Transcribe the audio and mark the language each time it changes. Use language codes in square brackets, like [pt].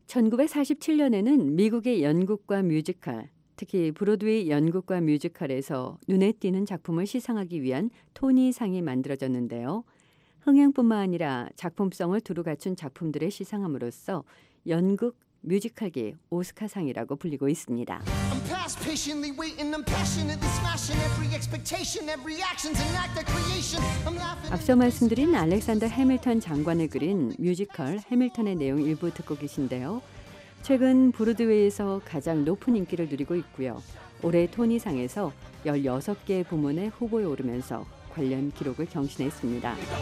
[ko] 1947년에는 미국의 연극과 뮤지컬, 특히 브로드웨이 연극과 뮤지컬에서 눈에 띄는 작품을 시상하기 위한 토니상이 만들어졌는데요. 흥행뿐만 아니라 작품성을 두루 갖춘 작품들의 시상함으로써 연극 뮤지컬계 오스카상이라고 불리고 있습니다. [en] I'm past patiently waiting, I'm passionately smashing every expectation, every action's an act of creation. [ko] 앞서 말씀드린 알렉산더 해밀턴 장관을 그린 뮤지컬 해밀턴의 내용 일부 듣고 계신데요. 최근 브로드웨이에서 가장 높은 인기를 누리고 있고요. 올해 토니상에서 16개 부문의 후보에 오르면서 관련 기록을 경신했습니다.